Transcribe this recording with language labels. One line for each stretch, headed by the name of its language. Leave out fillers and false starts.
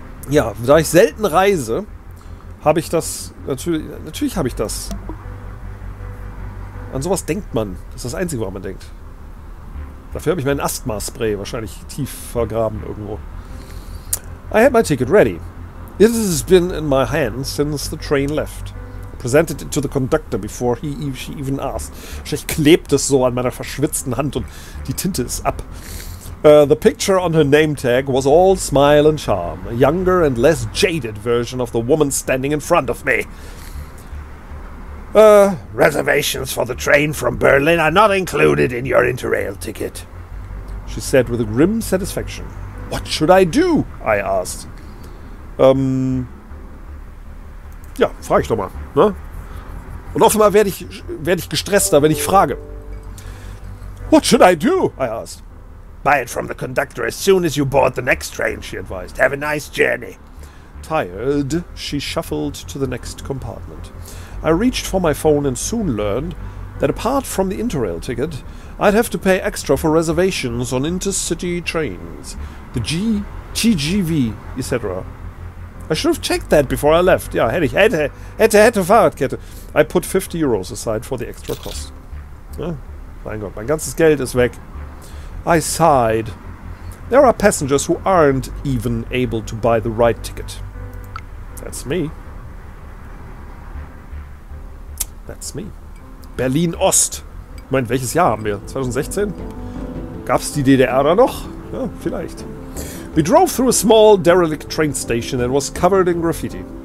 German: Ja, da ich selten reise, habe ich das natürlich habe ich das. An sowas denkt man. Das ist das Einzige, woran man denkt. Dafür habe ich meinen Asthma-Spray wahrscheinlich tief vergraben irgendwo.
English: I had my ticket ready. It has been in my hand since the train left. Presented it to the conductor before she even asked.
German: Wahrscheinlich klebt es so an meiner verschwitzten Hand und die Tinte ist ab.
English: The picture on her name tag was all smile and charm. A younger and less jaded version of the woman standing in front of me. Reservations for the train from Berlin are not included in your Interrail ticket. She said with a grim satisfaction. What should I do? I asked.
German: Ja, frage ich doch mal. Ne? Und offenbar werde ich gestresster, wenn ich frage.
English: What should I do? I asked. Buy it from the conductor as soon as you board the next train, she advised. Have a nice journey. Tired, she shuffled to the next compartment. I reached for my phone and soon learned that apart from the Interrail ticket, I'd have to pay extra for reservations on intercity trains, the TGV, etc. I should have checked that before I left.
German: Ja, hätte Fahrradkette.
English: I put 50 euros aside for the extra cost.
German: Oh, mein Gott, mein ganzes Geld ist weg.
English: I sighed. There are passengers who aren't even able to buy the right ticket. That's me. That's me.
German: Berlin Ost. Ich meine, welches Jahr haben wir? 2016? Gab's die DDR da noch? Ja, vielleicht.
English: We drove through a small derelict train station that was covered in graffiti.